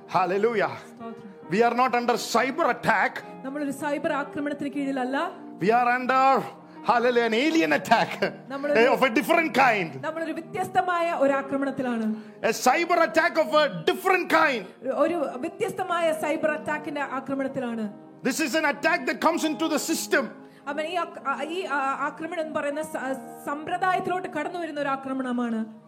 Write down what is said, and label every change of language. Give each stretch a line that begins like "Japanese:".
English: Hallelujah. We are not under cyber attack.
Malayalam: നമ്മൾ ഒരു cyber ആക്രമണത്തിന് കീഴിലല്ല.
English: We are under, hallelujah, an alien attack. Of a different kind.
Malayalam: നമ്മൾ ഒരു വ്യത്യസ്തമായ ഒരു ആക്രമണത്തിലാണ്.
English: A cyber attack of a different kind.
Malayalam: ഒരു വ്യത്യസ്തമായ cyber അറ്റാക്കിന്റെ ആക്രമണത്തിലാണ്.
English: This is an attack that comes into the system.
Malayalam: അപ്പോൾ ഈ ആക്രമണം എന്ന് പറയുന്ന സമ്പ്രദായത്തിലോട്ട് കടന്നു വരുന്ന ഒരു ആക്രമണമാണ്.